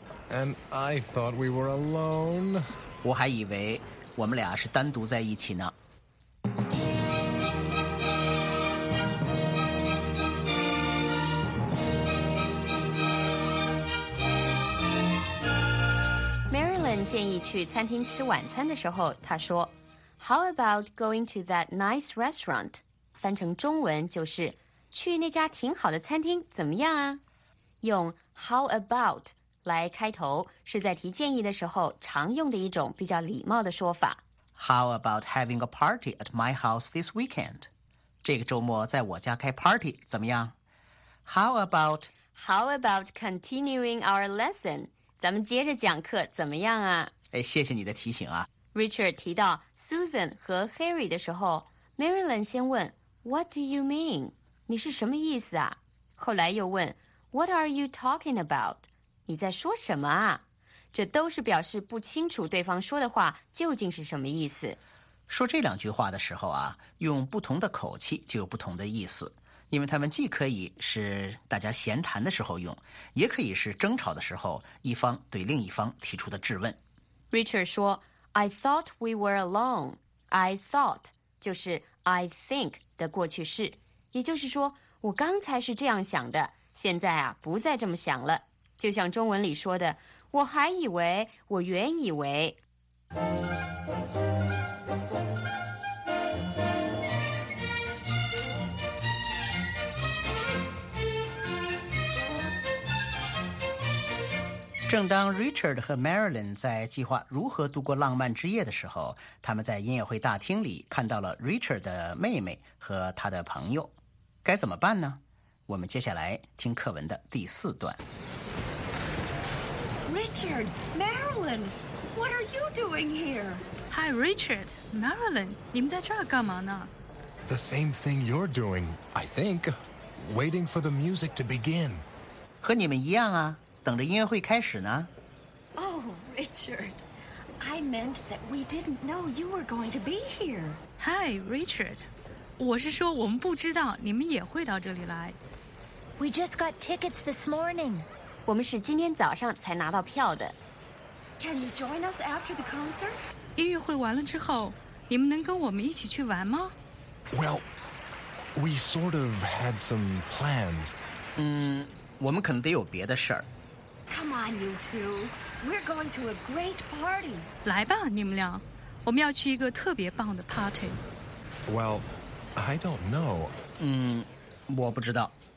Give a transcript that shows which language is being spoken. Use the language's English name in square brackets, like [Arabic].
[English] And I thought we were alone. [Chinese] 我还以为我们俩是单独在一起呢。 Marilyn 建议去餐厅吃晚餐的时候，她说 [English] "How about going to that nice restaurant?" [Chinese] 翻成中文就是去那家挺好的餐厅怎么样啊？用 how about 来开头是在提建议的时候常用的一种比较礼貌的说法。 [English] How about having a party at my house this weekend? [Chinese] 这个周末在我家开 party 怎么样？ [English] How about continuing our lesson? [Chinese] 咱们接着讲课怎么样啊？哎，谢谢你的提醒啊。 Richard 提到 Susan 和 Harry 的时候， Marilyn 先问 [English] What do you mean? [Chinese] 你是什么意思啊？后来又问 [English] What are you talking about? [Chinese] 你在说什么啊？这都是表示不清楚对方说的话究竟是什么意思。说这两句话的时候啊，用不同的口气就有不同的意思，因为他们既可以是大家闲谈的时候用，也可以是争吵的时候一方对另一方提出的质问。 [English] Richard [Chinese] 说 [English] I thought we were alone. [Chinese] I thought 就是 I think 的过去式，也就是说我刚才是这样想的，现在啊，不再这么想了。就像中文里说的，我还以为，我原以为。正当 Richard 和 Marilyn 在计划如何度过浪漫之夜的时候，他们在音乐会大厅里看到了 Richard 的妹妹和他的朋友，该怎么办呢？我们接下来听课文的第四段。 [English] Richard, Marilyn, what are you doing here? [Chinese] Hi, Richard, Marilyn, 你们在这儿干嘛呢？ [English] The same thing you're doing, I think. Waiting for the music to begin. [Chinese] 和你们一样啊，等着音乐会开始呢。 [English] Oh, Richard, I meant that we didn't know you were going to be here. [Chinese] Hi, Richard, 我是说我们不知道你们也会到这里来。 [English] We just got tickets this morning. [Chinese] 我们是今天早上才拿到票的。 [English] Can you join us after the concert? [Chinese] 音乐会完了之后，你们能跟我们一起去玩吗？ [English] Well, we sort of had some plans. [Chinese] 我们可能得有别的事儿。 [English] Come on, you two. We're going to a great party. [Chinese] 来吧，你们俩，我们要去一个特别棒的 party. [English] Well, I don't know. [Chinese] 我不知道。